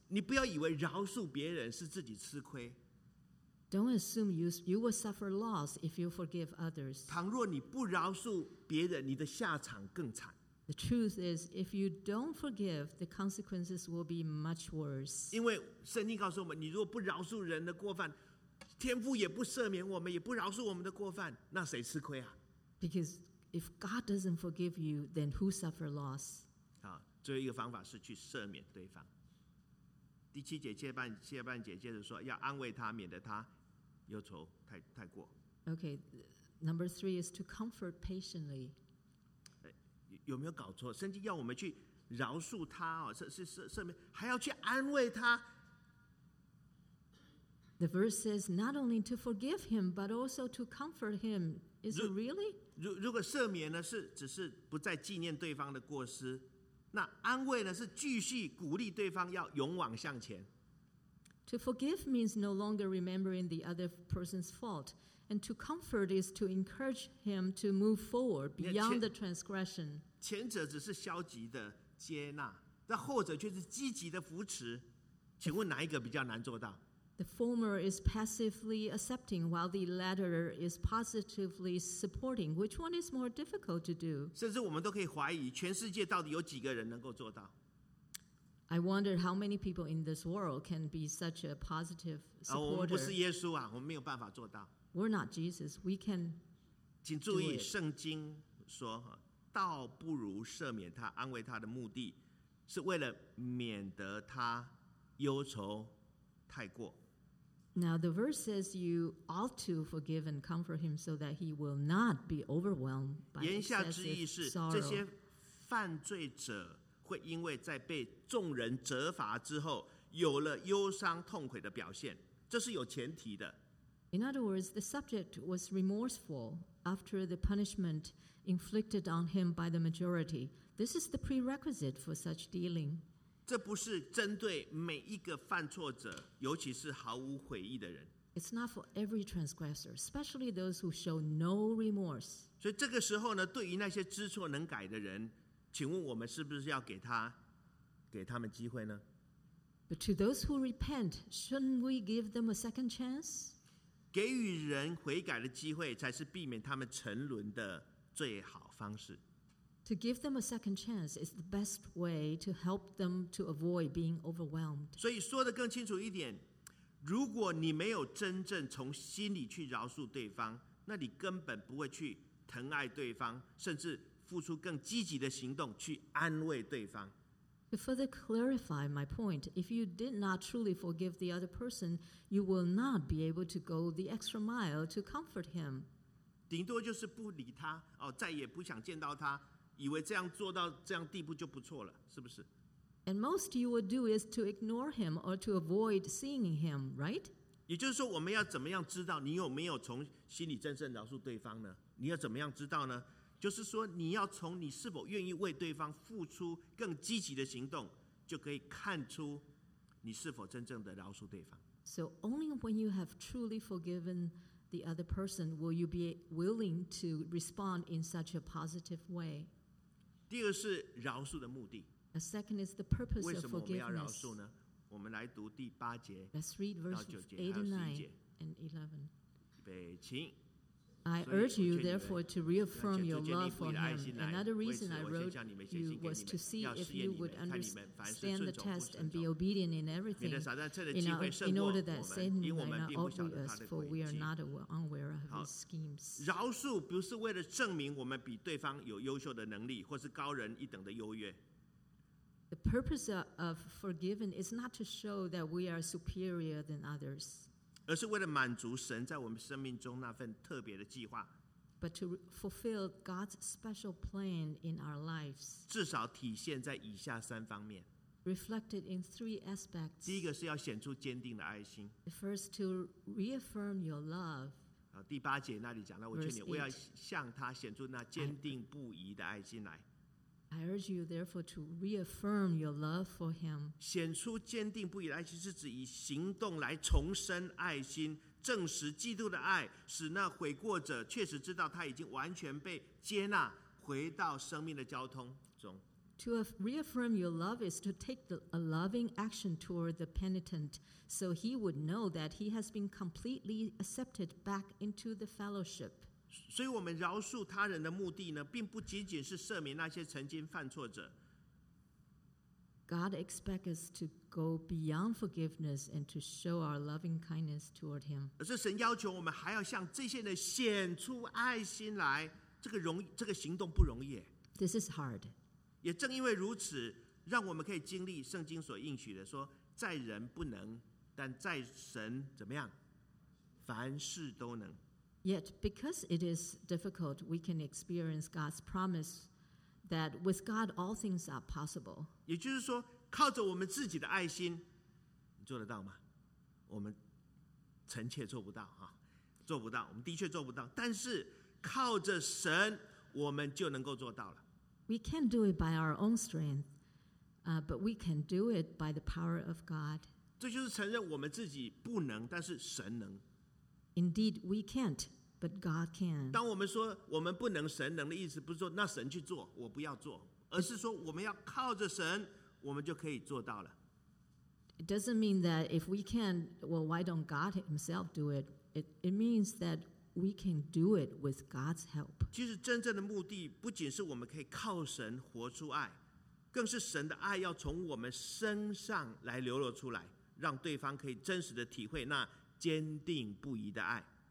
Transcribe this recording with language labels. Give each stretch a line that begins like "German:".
Chinese: 你不要以为饶恕别人是自己吃亏。
English: Don't assume you will suffer loss if you forgive others.
Chinese: 倘若你不饶恕别人，你的下场更惨。
English: The truth is, if you don't forgive, the consequences will be much worse.
Chinese: 因为圣经告诉我们，你如果不饶恕人的过犯，天父也不赦免我们，也不饶恕我们的过犯，那谁吃亏啊？
English: Because if God doesn't forgive you, then who suffer loss?
Chinese: 好，最后一个方法是去赦免对方。第七节下半节接着说，要安慰他，免得他忧愁太过。
English: Okay, number three is to comfort patiently.
Chinese: 有没有搞错？圣经要我们去饶恕他哦，赦免，还要去安慰他。
English: The verse says not only to forgive him but also to comfort him. Is it really?
Chinese: 如果赦免呢是只是不再纪念对方的过失，那安慰呢是继续鼓励对方要勇往向前。
English: To forgive means no longer remembering the other person's fault, and to comfort is to encourage him to move forward beyond the transgression.
Chinese: 前者只是消极的接纳，那后者却是积极的扶持。请问哪一个比较难做到？
English: The former is passively accepting, while the latter is positively supporting. Which one is more difficult to do?
Chinese: 甚至我们都可以怀疑，全世界到底有几个人能够做到
English: ？I wonder how many people in this world can be such a positive supporter.
Chinese: 我们不是耶稣啊，我们没有办法做到。
English: We're not Jesus. We can.
Chinese: 请注意，圣经说，倒不如赦免他，安慰他的目的，是为了免得他忧愁。
English: Now the verse says you ought to forgive and comfort him so that he will not be overwhelmed by excessive
Chinese: 言下之意是
English: ，sorrow.
Chinese: 这些犯罪者会因为在被众人责罚之后有了忧伤痛悔的表现，这是有前提的。
English: In other words, the subject was remorseful after the punishment inflicted on him by the majority. This is the prerequisite for such dealing.
Chinese: 这不是针对每一个犯错者，尤其是毫无悔意的人。
English: It's not for every transgressor, especially those who show no remorse.
Chinese: 所以这个时候呢，对于那些知错能改的人，请问我们是不是要给他们机会呢
English: ？But to those who repent, shouldn't we give them a second chance?
Chinese: 给予人悔改的机会，才是避免他们沉沦的最好方式。
English: To give them a second chance is the best way to help them to avoid being overwhelmed.
Chinese: 所以说得更清楚一点，如果你没有真正从心里去饶恕对方，那你根本不会去疼爱对方，甚至付出更积极的行动去安慰对方。
English: To further clarify my point, if you did not truly forgive the other person, you will not be able to go the extra mile to comfort him.
Chinese: 顶多就是不理他，哦，再也不想见到他。以为这样做到这样地步就不错了，是不是
English: ？And most you would do is to ignore him or to avoid seeing him, right?
Chinese: 也就是说，我们要怎么样知道你有没有从心里真正饶恕对方呢？你要怎么样知道呢？就是说，你要从你是否愿意为对方付出更积极的行动，就可以看出你是否真正的饶恕对方。
English: So only when you have truly forgiven. The other person, will you be willing to respond in such a positive way?
Chinese: 第二是饶恕的目的。
English: A second is the purpose of forgiveness.
Chinese: 为什么我们要饶恕呢？我们来读第八节到九节，
English: Let's read verses 8 and 9 and 11. I urge you, therefore, to reaffirm your love for him. Another reason I wrote you was to see if you would understand the test and be obedient in everything in order that Satan might not outwit us, for we are not unaware of his schemes.
Chinese: 饶恕不是为了证明我们比对方有优秀的能力，或是高人一等的优越。
English: The purpose of forgiving is not to show that we are superior than others.
Chinese: 而是为了满足神在我们生命中那份特别的计划
English: ，but to fulfill God's special plan in our lives，
Chinese: 至少体现在以下三方面
English: ，reflected in three aspects。
Chinese: 第一个是要显出坚定的爱心
English: ，the first to reaffirm your love。
Chinese: 第八节那里讲到，我劝你，我要向他显出那坚定不移的爱心来。
English: I urge you therefore to reaffirm your love for him.
Chinese: 显出坚定不移的爱心，是指以行动来重申爱心，证实基督的爱，使那悔过者确实知道他已经完全被接纳，回到生命的交通中。
English: To reaffirm your love is to take a loving action toward the penitent, so he would know that he has been completely accepted back into the fellowship.
Chinese: 所以我们饶恕他人的目的呢，并不仅仅是赦免那些曾经犯错者。
English: God expects us to go beyond forgiveness and to show our loving kindness toward him.
Chinese: 而是神要求我们还要向这些人显出爱心来，这个行动不容易。
English: This is hard.
Chinese: 也正因为如此，让我们可以经历圣经所应许的，说在人不能，但在神怎么样，凡事都能。
English: Yet because it is difficult, we can experience God's promise that with God all things are possible.
Chinese: 也就是说，靠着我们自己的爱心，你做得到吗？我们臣妾做不到，做不到，我们的确做不到。但是靠着神，我们就能够做到了。
English: We can't do it by our own strength, but we can do it by the power of God.
Chinese: 这就是承认我们自己不能，但是神能。
English: Indeed, we can't, but God can.
Chinese: 当我们说我们不能，神能的意思不是说那神去做，我不要做，而是说我们要靠着神，我们就可以做到了。
English: It doesn't mean that if we can't, well, why don't God himself do it? It means that. We can do it with God's help.
Chinese: 其实真正的目的不仅是我们可以靠神活出爱，更是神的爱要从我们身上来流露出来，让对方可以真实的体会那坚定不移的爱。